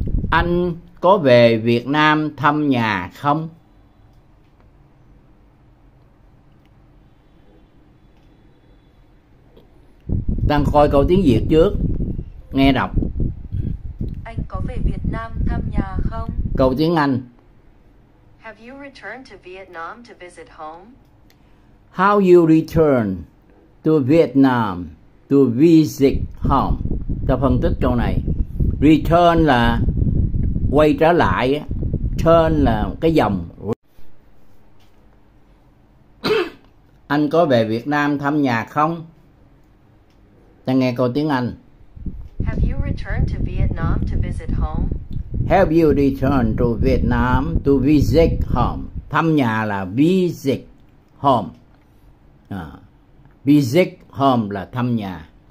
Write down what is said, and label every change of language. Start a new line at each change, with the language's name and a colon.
Vietnamese: Anh có về Việt Nam thăm nhà không? Đang coi câu tiếng Việt trước, nghe đọc. Anh có về Việt Nam thăm nhà không? Câu tiếng Anh.
English: Have you returned to Vietnam to visit home? How you return to Vietnam to visit home?
Vietnamese: Ta phân tích câu này. Return là quay trở lại, turn là cái dòng. Anh có về Việt Nam thăm nhà không? Ta nghe câu tiếng Anh.
English: Have you returned to Vietnam to visit home? Have you returned to Vietnam to visit home?
Vietnamese: Thăm nhà là visit home. Visit home là thăm nhà.